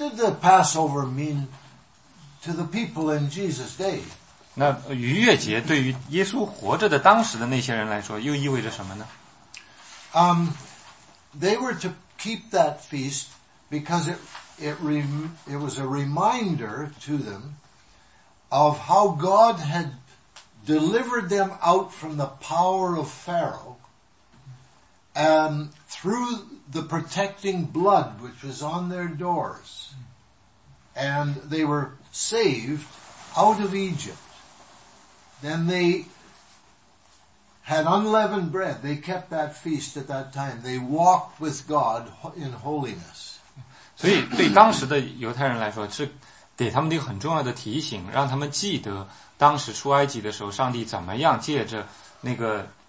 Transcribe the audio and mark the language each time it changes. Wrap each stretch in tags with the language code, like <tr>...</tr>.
<en>what did the Passover mean to the people in Jesus' day?</en> <zh>那逾越节对于耶稣活着的当时的那些人来说，又意味着什么呢？</zh> <en>They were to keep that feast because it was a reminder to them of how God had delivered them out from the power of Pharaoh and through the protecting blood which was on their doors, and they were saved out of Egypt. Then they had unleavened bread. They kept that feast at that time. They walked with God in holiness.</en> <zh>所以对当时的犹太人来说，是给他们一个很重要的提醒，让他们记得当时出埃及的时候，上帝怎么样借着那个</zh>